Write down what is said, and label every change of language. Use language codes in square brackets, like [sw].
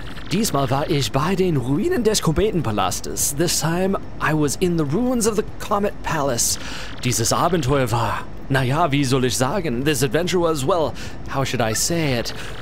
[de] Diesmal war ich bei den Ruinen des Kometenpalastes. [en] This time, I was in the ruins of the Comet Palace. [de] Dieses Abenteuer war, naja, wie soll ich sagen? [en] This adventure was, well, how should I say it?